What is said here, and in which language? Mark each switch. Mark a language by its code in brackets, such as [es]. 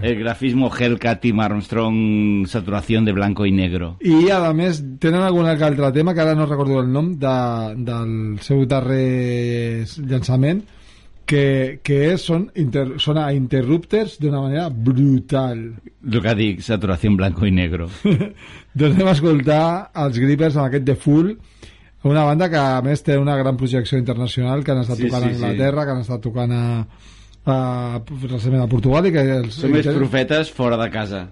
[es] El grafismo Hellcat y Armstrong, saturación de blanco y negro. [ca] I a més, tenen algun altre tema, que ara no recordo el nom, del seu darrer llançament, que sona a Interrupters d'una manera brutal. El que dic, [es] saturación blanco y negro. [ca] Doncs anem a escoltar els Grippers amb aquest The Fool, una banda que a més té una gran projecció internacional, que han estat tocant a Anglaterra, que han estat tocant recentment a Portugal, i que són més profetes fora de casa.